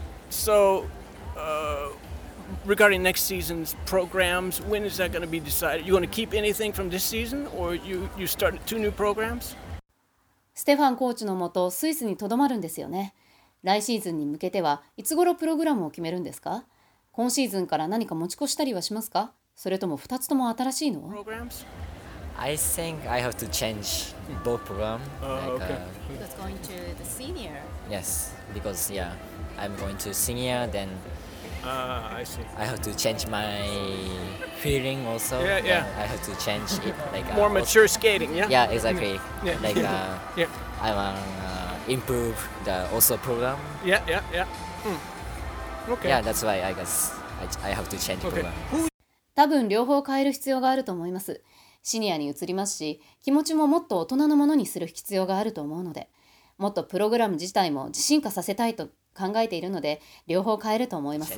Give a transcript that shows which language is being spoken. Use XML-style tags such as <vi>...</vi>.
<en>So regarding next season's programs, when is that going to be decided? You going to keep anything from this season or you start two new programs?</en> <ja>Stefan コーチのもとスイスにとどまるんですよね。来シーズンに向けてはいつ頃プログラムを決めるんですか？今シーズンから何か持ち越したりはしますか？それとも2つとも新しいの？</ja> <en>Programs? I think I have to change both program. Oh, like, okay. Because going to the senior. Yes, because yeah, I'm going to senior then. I see. I have to change my feeling also. Yeah. I have to change it. Like more mature skating. Yeah. Yeah, exactly. Yeah. Like yeah. I want improve the also program. Yeah. Mm. Okay. Yeah, that's why I guess I have to change program. Okay.</en> <ja>多分両方変える必要があると思います。シニアに移りますし、気持ちももっと大人のものにする必要があると思うので、もっとプログラム自体も自信化させたいと考えているので、両方変えると思います。</ja>